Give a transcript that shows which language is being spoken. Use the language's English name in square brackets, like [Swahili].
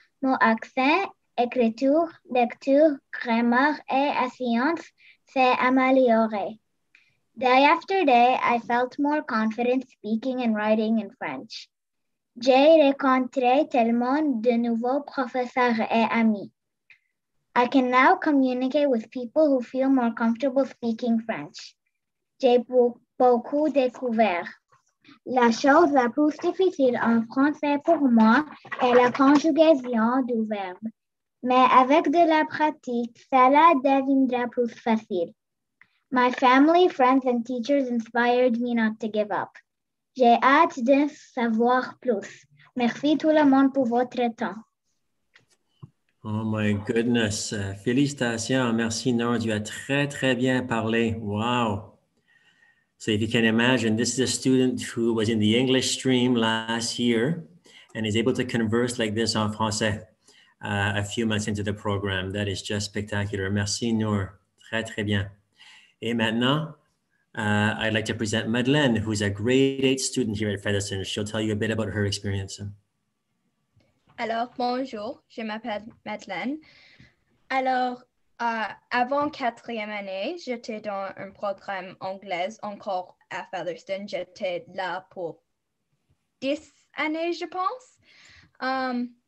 [French] Mon accent, écriture, lecture, grammaire et science s'est amélioré. [English] Day after day, I felt more confident speaking and writing in French. [French] J'ai rencontré tellement de nouveaux professeurs et amis. [English] I can now communicate with people who feel more comfortable speaking French. [French] J'ai beaucoup découvert. La chose la plus difficile en français pour moi est la conjugaison du verbe. Mais avec de la pratique, cela deviendra plus facile. [English] My family, friends, and teachers inspired me not to give up. [French] J'ai hâte de savoir plus. Merci tout le monde pour votre temps. [English] Oh my goodness. [French] Félicitations. Merci, [English] Noor. [French] Tu as très, très bien parlé. Wow. [English] So if you can imagine, this is a student who was in the English stream last year and is able to converse like this [French] en français [English] a few months into the program. That is just spectacular. [French] Merci, Noor. Très, très bien. Et maintenant, [English] I'd like to present Madeleine, who's a grade 8 student here at Featherston. She'll tell you a bit about her experience. [French] Alors, bonjour, je m'appelle Madeleine. Alors, avant quatrième année, j'étais dans un programme anglais encore à Featherston. J'étais là pour 10 années, je pense.